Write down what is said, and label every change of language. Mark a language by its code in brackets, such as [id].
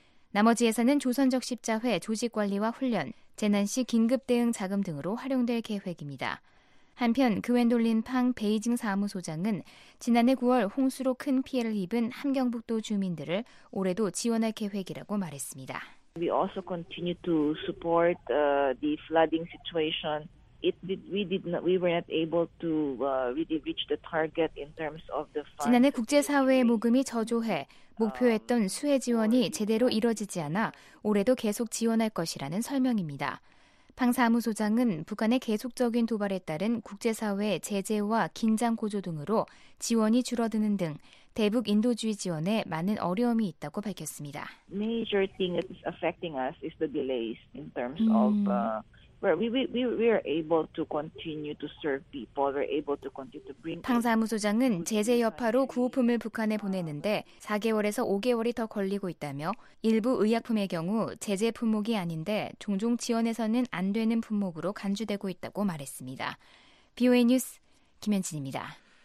[ko] 나머지에서는 조선적십자회 조직관리와 훈련, 재난시 긴급대응 자금 등으로 활용될 계획입니다. 한편 그웬돌린팡 베이징 사무소장은 지난해 9월 홍수로 큰 피해를 입은 함경북도 주민들을 올해도 지원할 계획이라고 말했습니다. [en] We also continue to support the flooding situation. We were not able to reach the target in terms of the fund. [ko] 지난해 국제사회의 모금이 저조해 목표했던 수해 지원이 제대로 이뤄지지 않아 올해도 계속 지원할 것이라는 설명입니다. 팡 사무소장은 북한의 계속적인 도발에 따른 국제사회의 제재와 긴장 고조 등으로 지원이 줄어드는 등 대북 인도주의 지원에 많은 어려움이 있다고 밝혔습니다. [en] Major thing that is affecting us is the delays in terms of where we are able to continue to serve people. [ko] 팡 사무소장은 제재 여파로 구호품을 북한에 보내는데 4개월에서 5개월이 더 걸리고 있다며 일부 의약품의 경우 제재 품목이 아닌데 종종 지원해서는 안 되는 품목으로 간주되고 있다고 말했습니다. BOA 뉴스 김현진입니다.